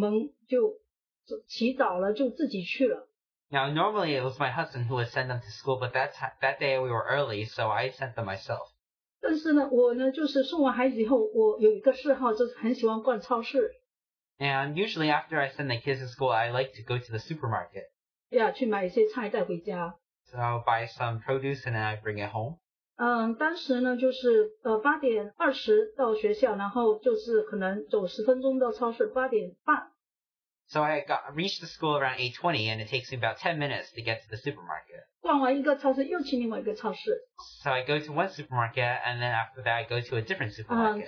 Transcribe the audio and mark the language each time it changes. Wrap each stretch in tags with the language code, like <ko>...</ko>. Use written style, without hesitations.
<zh>通常呢都是我先生送他们去学校，我们去学校的。但是呢那一天呢，就是我们就起早了，就自己去了。</zh> <en>Now, normally it was my husband who would send them to school, but that day we were early, so I sent them myself.</en> <zh>但是呢，我呢就是送完孩子以后，我有一个嗜好，就是很喜欢逛超市。</zh> <en>And usually after I send the kids to school, I like to go to the supermarket.</en> <zh>Yeah, 去买一些菜带回家。</zh> <en>So I'll buy some produce and then I bring it home.</en> <zh>当时呢就是8:20到学校，然后就是可能走10分钟到超市，8:30。</zh> <en>So I reached the school around 8:20, and it takes me about 10 minutes to get to the supermarket.</en> <zh>逛完一个超市,</zh> <en>so I go to one supermarket, and then after that, I go to a different supermarket.</en>